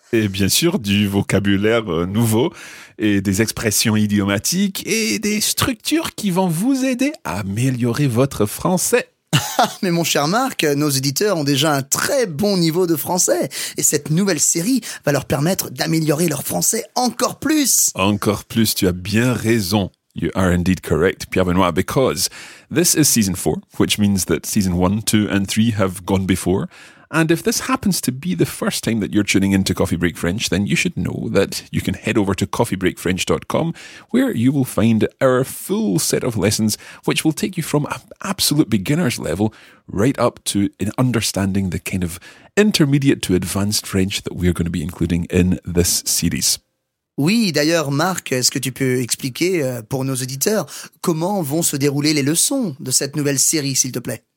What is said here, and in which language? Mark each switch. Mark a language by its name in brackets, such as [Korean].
[French] Et bien sûr, du vocabulaire nouveau, et des expressions idiomatiques, et des structures qui vont vous aider à améliorer votre français. Mais mon cher Marc, nos auditeurs ont déjà un très bon niveau de français, et cette nouvelle série va leur permettre d'améliorer leur français encore plus. Encore plus, tu as bien raison. [English] You are indeed correct, Pierre-Benoît, because this is season 4, which means that season 1, 2 and 3 have gone before. And if this happens to be the first time that you're tuning into Coffee Break French, then you should know that you can head over to coffeebreakfrench.com, where you will find our full set of lessons, which will take you from an absolute beginner's level right up to an understanding the kind of intermediate to advanced French that we're going to be including in this series. [French] Oui, d'ailleurs, Marc, est-ce que tu peux expliquer pour nos auditeurs comment vont se dérouler les leçons de cette nouvelle série, s'il te plaît?